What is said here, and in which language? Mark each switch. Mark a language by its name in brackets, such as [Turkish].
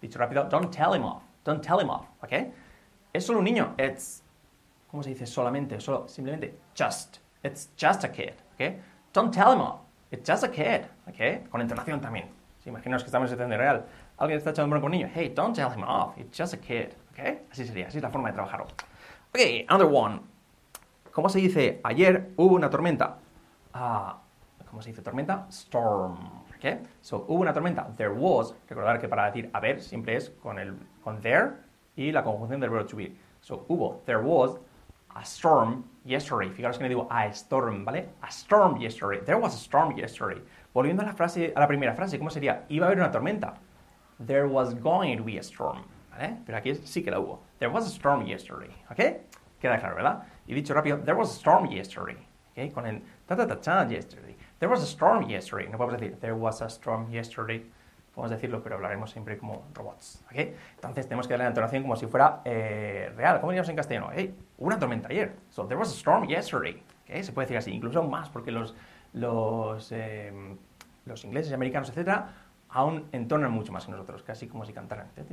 [Spanish] Dicho rápido, [English] don't tell him off, don't tell him off, [Spanish] ¿ok? Es solo un niño, [English] it's, [Spanish] ¿cómo se dice solamente, solo, simplemente? [English] Just, it's just a kid, ¿ok? Don't tell him off, it's just a kid, ¿ok? [Spanish] Con entonación también. Sí, imaginaos que estamos en el real. Alguien está echando bronca con un niño. [English] Hey, don't tell him off, it's just a kid, [Spanish] ¿ok? Así sería, así es la forma de trabajarlo. [English] Ok, another one. [Spanish] ¿Cómo se dice ayer hubo una tormenta? ¿Cómo se dice tormenta? [English] Storm, [Spanish] ¿ok? So, hubo una tormenta, [English] there was. [Spanish] Recordar que para decir haber siempre es con el con there y la conjunción del verbo to be. [English] So, [Spanish] hubo, [English] there was a storm yesterday. [Spanish] Fijaros que no digo [English] a storm, [Spanish] ¿vale? [English] A storm yesterday. There was a storm yesterday. [Spanish] Volviendo a la frase, a la primera frase, ¿cómo sería? Iba a haber una tormenta. [English] There was going to be a storm, ¿vale? [Spanish] Pero aquí sí que la hubo. [English] There was a storm yesterday, [Spanish] ¿ok? Queda claro, ¿verdad? Y dicho rápido, [English] there was a storm yesterday, [Spanish] ¿ok? Con el ta-ta-ta-chan yesterday. [English] There was a storm yesterday. [Spanish] No podemos decir, [English] there was a storm yesterday. [Spanish] Podemos decirlo, pero hablaremos siempre como robots, ¿ok? Entonces, tenemos que darle la entonación como si fuera real. ¿Cómo diríamos en castellano? [English] Hey, [Spanish] una tormenta ayer. [English] So, there was a storm yesterday, ¿ok? [Spanish] Se puede decir así, incluso más, porque los ingleses, americanos, etcétera, aún entonan mucho más que nosotros, casi como si cantaran.